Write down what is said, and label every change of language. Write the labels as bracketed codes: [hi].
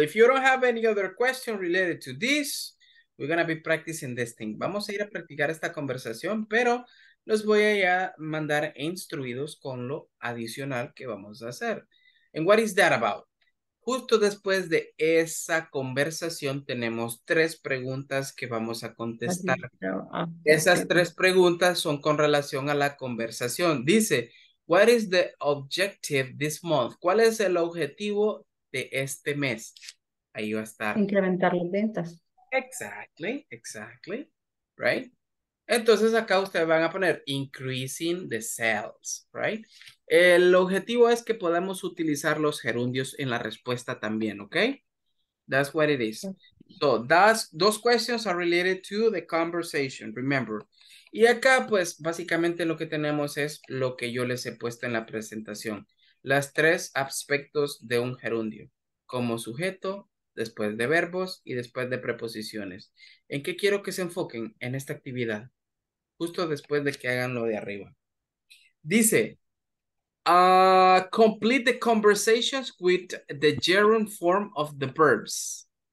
[en] If you don't have any other question related to this, we're going to be practicing this thing. [es] Vamos a ir a practicar esta conversación, pero los voy a ya mandar instruidos con lo adicional que vamos a hacer. [en] And what is that about? [es] Justo después de esa conversación tenemos tres preguntas que vamos a contestar. Esas tres preguntas son con relación a la conversación. [en] Dice, what is the objective this month? [es] ¿Cuál es el objetivo de este mes? Ahí va a estar. Incrementar las ventas. [en] Exactly, exactly. Right? [es] Entonces acá ustedes van a poner [en] increasing the sales, right? [es] El objetivo es que podamos utilizar los gerundios en la respuesta también, okay? [en] That's what it is. So, those questions are related to the conversation, remember. [es] Y acá, pues, básicamente lo que tenemos es lo que yo les he puesto en la presentación. Las tres aspectos de un gerundio. Como sujeto, después de verbos y después de preposiciones. ¿En qué quiero que se enfoquen en esta actividad? Justo después de que hagan lo de arriba. [en] Dice, complete the conversations with the gerund form of the verbs.